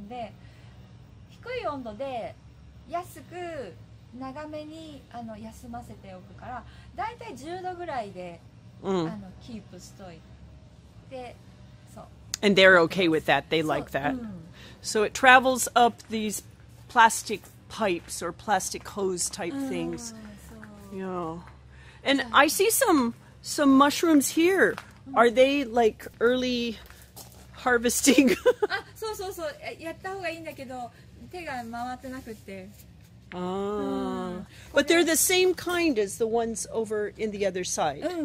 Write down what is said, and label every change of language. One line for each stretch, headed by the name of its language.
Japanese: 11月の終わりにこれを入れて4月に出そうと思うから、結構期間が長いので低い温度で 安く長めに休ませておくから、だいたい10度ぐらいでキープしといて、そう。
English: And they're okay with that. They like that. So it travels up these plastic pipes or plastic hose type things. Yeah. And I see some mushrooms here. Are they like early harvesting?
Japanese: あ、そうそうそう。やった方がいいんだけど、手が回ってなくて。
English: But they're the same kind as the ones over in the other side.